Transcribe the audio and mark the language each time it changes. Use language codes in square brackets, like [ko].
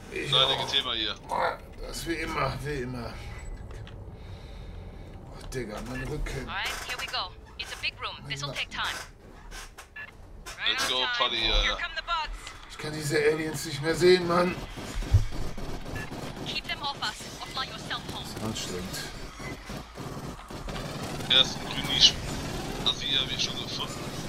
[de] Seidiges Thema hier. Das wie immer, wie immer. Oh, Digga, mein Rücken. [en] Alright, here we go. It's a big room. This will take time. Let's go, Paddy. Here come the bugs. [de] Ich kann diese Aliens nicht mehr sehen, Mann. [en] Keep them off us or fly yourself home. [de] Das ist anstrengend. Ja, das ist ein grüner Spiel. Das hier habe ich schon gefunden.